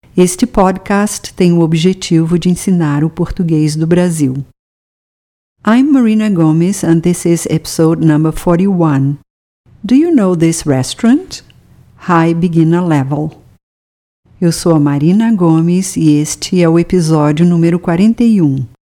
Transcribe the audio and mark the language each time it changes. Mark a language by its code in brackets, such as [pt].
[pt] Este podcast tem o objetivo de ensinar o português do Brasil. [en] I'm Marina Gomes and this is episode number 41. Do you know this restaurant? High beginner level. [pt] Eu sou a Marina Gomes e este é o episódio número 41.